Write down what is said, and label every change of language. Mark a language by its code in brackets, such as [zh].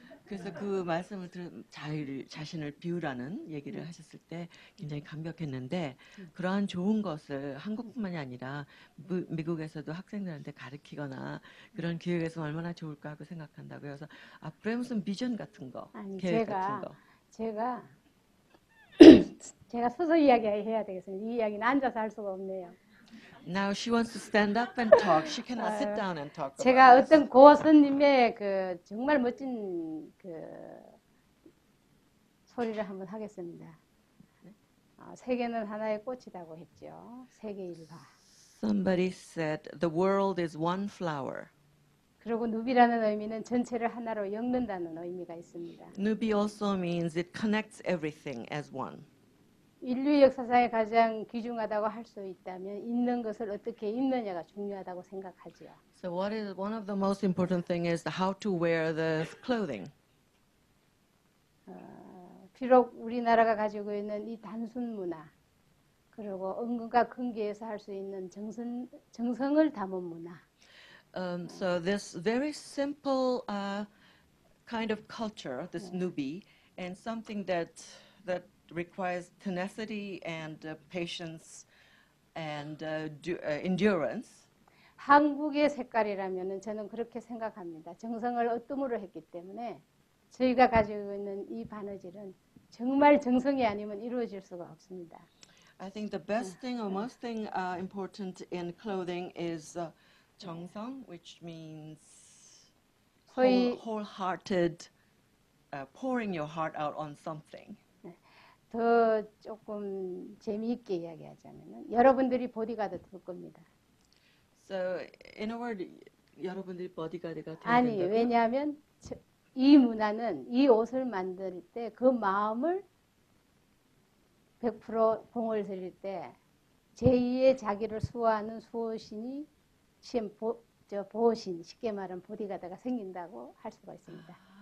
[ko] 그래서 그 말씀을 들은 자신을 비우라는 얘기를 하셨을 때 굉장히 감격했는데 그러한 좋은 것을 한국뿐만이 아니라 미국에서도 학생들한테 가르치거나 그런 기회에서 얼마나 좋을까 하고 생각한다고 해요. 그래서 앞으로 무슨 비전 같은 거, 아니, 계획 제가, 같은 거. 제가 제가 서서 이야기해야 되겠습니다. 이 이야기는 앉아서 할 수가 없네요. [en] Now she wants to stand up and talk. She cannot sit down and talk. [ko] 제가 [en] about [ko] 어떤 고어 선님의 그 정말 멋진 그 소리를 한번 하겠습니다. 세계는 하나의 꽃이라고 했죠. 세계 일화. [en] Somebody said the world is one flower. [ko] 그리고 누비라는 의미는 전체를 하나로 엮는다는 의미가 있습니다. [en] Nubi also means it connects everything as one. [ko] 인류 역사상에 가장 귀중하다고 할 수 있다면 있는 것을 어떻게 입느냐가 중요하다고 생각하지요. [en] So what is one of the most important things is how to wear the clothing. [ko] 비록 우리나라가 가지고 있는 이 단순 문화 그리고 은근과 근기에서 할 수 있는 정성을 담은 문화. [en] So this very simple kind of culture, this Nubi, and something that requires tenacity and patience and endurance. [ko] 한국의 색깔이라면은 저는 그렇게 생각합니다. 정성을 으뜸으로 했기 때문에 저희가 가지고 있는 이 바느질은 정말 정성이 아니면 이루어질 수가 없습니다. [en] I think the best thing or most thing important in clothing is 정성, which means wholehearted, pouring your heart out on something. [ko] 더 조금 재미있게 이야기하자면 여러분들이 보디가드 될 겁니다. [en] So in a word, [ko] 여러분들이 보디가드가 될 겁니다. 아니, 왜냐하면 이 문화는 이 옷을 만들 때 그 마음을 100% 봉을 드릴 때 제2의 자기를 수호하는 수호신이 신 보호신 쉽게 말하면 보디가드가 생긴다고 할 수가 있습니다.